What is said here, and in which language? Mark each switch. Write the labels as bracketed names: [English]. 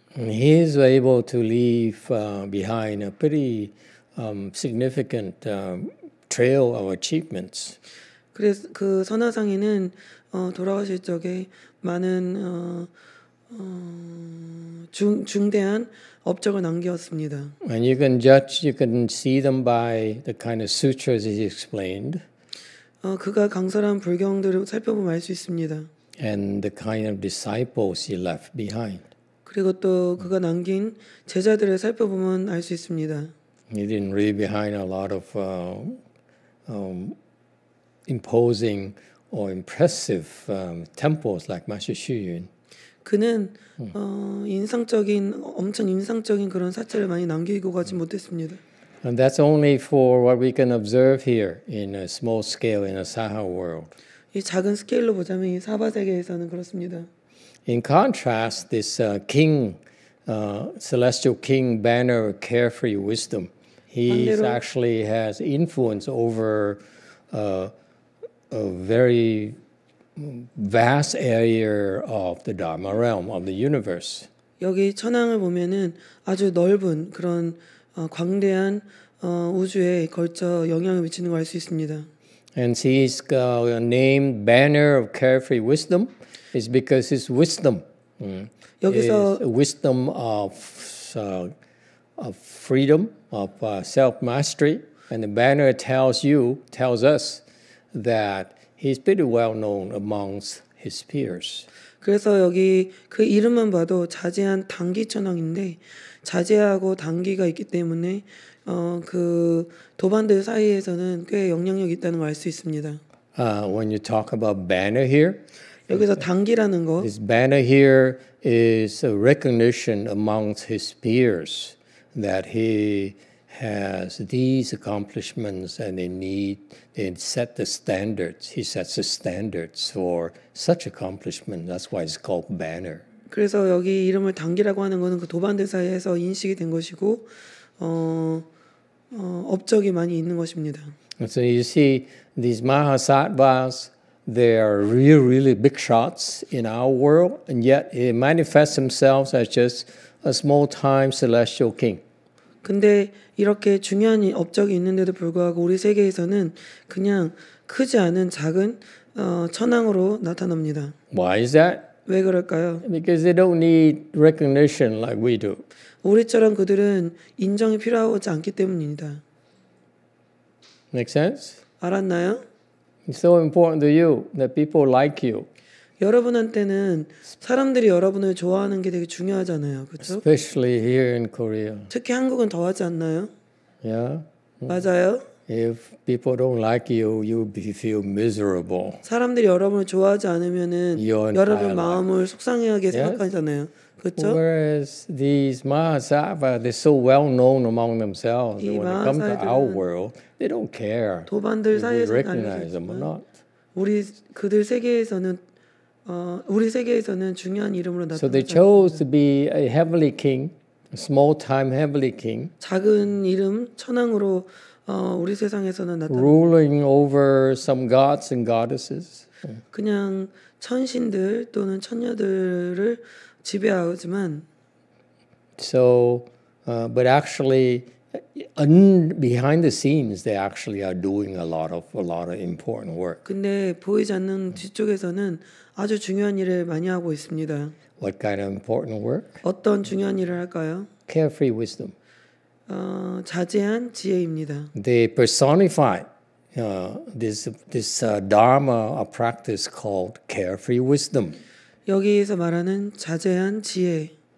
[English] He is able to leave behind a pretty significant trail of achievements. [Korean] 그래서 그 선화상인은 돌아가실 적에 많은 중대한 업적을 남겼습니다. [English] And you can judge, you can see them by the kind of sutras he explained. [Korean] 그가 강설한 불경들을 살펴보면 알 수 있습니다. [English] And the kind of disciples he left behind. [Korean] 그리고 또 그가 남긴 제자들을 살펴보면 알 수 있습니다. [English] He didn't leave behind a lot of imposing or impressive temples like Master Shuyun. [Korean] 그는 인상적인 엄청 인상적인 그런 사찰을 많이 남기고 가지 못했습니다. [English] And that's only for what we can observe here in a small scale in a Saha world. [Korean] 이 작은 스케일로 보자면 이 사바 세계에서는 그렇습니다. [English] In contrast, this king, celestial king banner of carefree wisdom, he actually has influence over a very vast area of the Dharma realm of the universe. [Korean] 여기 천왕을 보면은 아주 넓은 그런 광대한 우주에 걸쳐 영향을 미치는 걸 알 수 있습니다. [English] And he's named banner of carefree wisdom. It's because his wisdom, is wisdom of freedom, of self-mastery, and the banner tells us that he's pretty well known amongst his peers. [Korean] 그래서 여기 그 이름만 봐도 자제한 단기 천왕인데 자제하고 단기가 있기 때문에 그 도반들 사이에서는 꽤 영향력 있다는 걸 알 수 있습니다. [English] When you talk about banner here. [Korean] 여기서 단기라는 거. [English] His banner here is a recognition amongst his peers that he has these accomplishments and they set the standards. He sets the standards for such accomplishment. That's why it's called banner. [Korean] 그래서 여기 이름을 단기라고 하는 거는 그 도반들 사이에서 인식이 된 것이고 업적이 많이 있는 것입니다. [English] So you see these Mahasattvas They are really, really big shots in our world, and yet he manifests himself as just a small-time celestial king. [Korean] 근데 이렇게 중요한 업적이 있는데도 불구하고 우리 세계에서는 그냥 크지 않은 작은 천왕으로 나타납니다. [English] Why is that? [Korean] 왜 그럴까요? [English] Because they don't need recognition like we do. [Korean] 우리처럼 그들은 인정이 필요하지 않기 때문입니다. [English] Make sense? [Korean] 알았나요? [English] It's so important to you that people like you. [Korean] 여러분한테는 사람들이 여러분을 좋아하는 게 되게 중요하잖아요, 그렇죠? [English] Especially here in Korea. [Korean] 특히 한국은 더하지 않나요? [English] Yeah. [Korean] 맞아요. [English] If people don't like you, you feel miserable. [Korean] 사람들이 여러분을 좋아하지 않으면은 여러분 마음을 속상해하게 생각하잖아요. 그렇죠? [English] Whereas these Mahasattva, they're so well known among themselves. When they come to our world, they don't care. [Korean] 도반들 사이에서 [English] recognize them or not. [Korean] 우리 그들 세계에서는 우리 세계에서는 중요한 이름으로 나타나. [English] So they chose to be a heavenly king, a small-time heavenly king. [Korean] 작은 이름 천왕으로 우리 세상에서는 나타나. [English] Ruling over some gods and goddesses. [Korean] 그냥 천신들 또는 천녀들을 지배하지만. [English] So, but actually, behind the scenes, they actually are doing a lot of important work. [Korean] 근데 보이지 않는 뒤쪽에서는 아주 중요한 일을 많이 하고 있습니다. [English] What kind of important work? [Korean] 어떤 중요한 일을 할까요? [English] Carefree wisdom. [Korean] 자제한 지혜입니다. [English] They personify this Dharma a practice called carefree wisdom. [Korean] 여기에서 말하는 자제한 지혜.